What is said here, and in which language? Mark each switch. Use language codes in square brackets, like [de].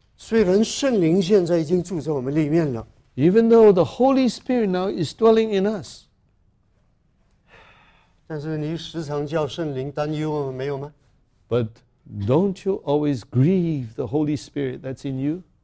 [zh] 虽然圣灵现在已经住在我们里面了。 [en] Even though the Holy Spirit now is dwelling in us. [zh] 但是你时常叫圣灵担忧，没有吗？ [en] But don't you always grieve the Holy Spirit that's in you?